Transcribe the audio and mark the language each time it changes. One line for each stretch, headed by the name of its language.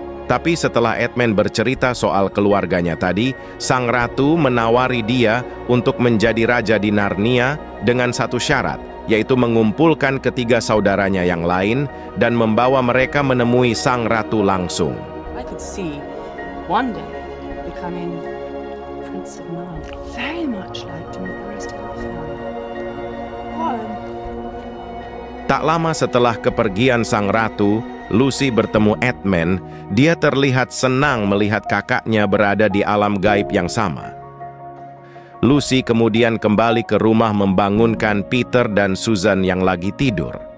Indonesian: Tapi setelah Edmund bercerita soal keluarganya tadi, sang ratu menawari dia untuk menjadi raja di Narnia dengan satu syarat, yaitu mengumpulkan ketiga saudaranya yang lain dan membawa mereka menemui sang ratu langsung.
English: I could see one day becoming prince of Narnia, very much like to meet the rest of the family.
Indonesian: Tak lama setelah kepergian sang ratu, Lucy bertemu Edmund, dia terlihat senang melihat kakaknya berada di alam gaib yang sama. Lucy kemudian kembali ke rumah membangunkan Peter dan Susan yang lagi tidur.